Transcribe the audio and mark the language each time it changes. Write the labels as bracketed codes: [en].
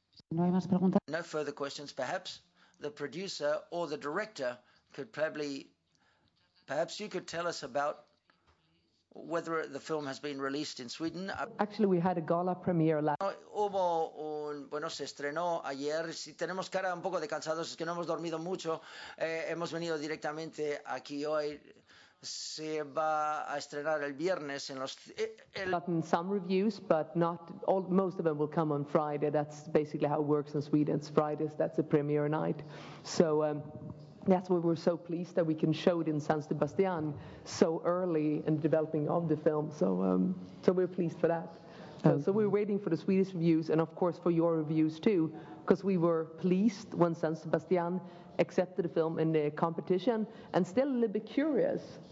[es] No hay más preguntas. [en] No further questions, perhaps. The producer or the director could probably Perhaps you could tell us about whether the film has been released in Sweden. Actually, we had a gala premiere last. [es] Hubo un bueno, se estrenó ayer. Si tenemos cara un poco de cansados, es que no hemos dormido mucho. Hemos venido directamente aquí hoy. Se va a estrenar el viernes en los. [en] Gotten some reviews, but not all. Most of them will come on Friday. That's basically how it works in Sweden. It's Fridays. That's the premiere night. So. That's why we're so pleased that we can show it in San Sebastian so early in the developing of the film. So we're pleased for that. So we're waiting for the Swedish reviews and, of course, for your reviews too, because we were pleased when San Sebastian accepted the film in the competition and still a little bit curious.